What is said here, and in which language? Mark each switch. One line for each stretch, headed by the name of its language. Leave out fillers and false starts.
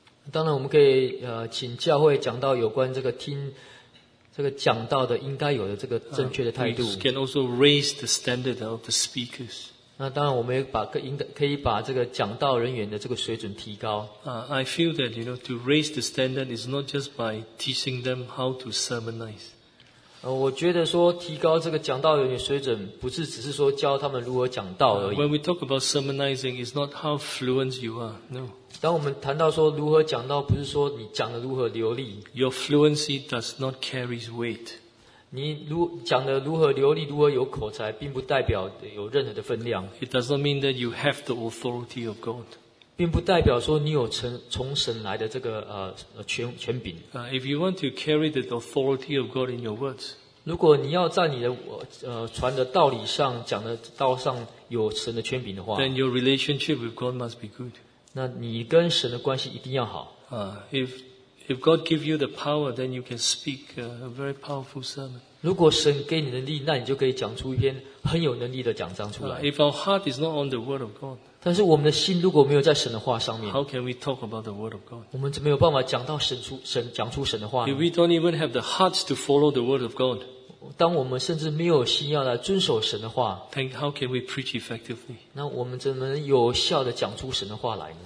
Chinese: 当然我们可以请教会讲到有关这个听这个讲到的应该有的这个正确的态度。
English: We can also raise the standard of the speakers.
Chinese: 那当然，我们可以把这个讲道人员的这个水准提高。
English: I feel that you know to raise the standard is not just by teaching them how to sermonize.
Chinese: 我觉得说提高这个讲道人员水准，不是只是说教他们如何讲道而已。
English: When we talk about sermonizing, it's not how fluent you are. No.
Chinese: 当我们谈到说如何讲道，不是说你讲的如何流利。
English: Your fluency does not carry weight.
Chinese: 你如讲的如何流利，如何有口才，并不代表有任何的分量。
English: It does not mean that you have the authority of God.
Chinese: 并不代表说你有从神来的这个权柄。
English: If you want to carry the authority of God in your words,
Chinese: 如果你要在你的传的道理上讲的道上有神的权柄的话
English: ，then your relationship with God must be good.
Chinese: 那你跟神的关系一定要好。
English: If God give you the power, then you can speak a very powerful sermon.
Chinese: 如果神给你能力，那你就可以讲出一篇很有能力的讲章出来。
English: If our heart is not on the word of God,
Chinese: 但是我们的心如果没有在神的话上面
English: ，How can we talk about the word of God?
Chinese: 我们就没有办法讲到神讲出神的话。
English: If we don't even have the hearts to follow the word of God,
Chinese: 当我们甚至没有心要来遵守神的话
English: ，Then how can we preach effectively?
Chinese: 那我们怎么能有效的讲出神的话来呢